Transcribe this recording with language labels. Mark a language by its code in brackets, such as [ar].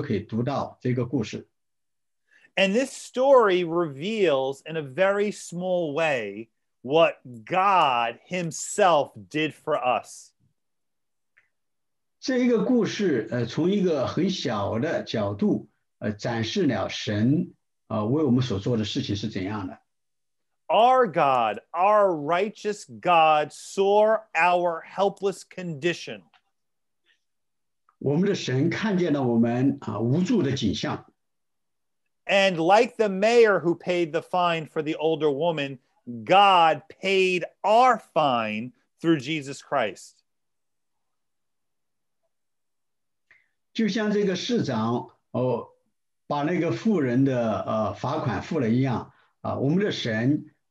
[zh] 这么一个故事就在《纽约时报》上就被发表出来，所以所有的人都可以读到这个故事。 [en] And this story reveals in a very small way what God himself did for us. [zh] 这一个故事从一个很小的角度展示了神为我们所做的事情是怎样的。 [en] Our God, our righteous God, saw our helpless condition. [zh] 我们的神看见了我们无助的景象。 [en] And like the mayor who paid the fine for the older woman, God paid our fine through Jesus Christ. [zh] 就像这个市长把那个妇人的罚款付了一样，我们的神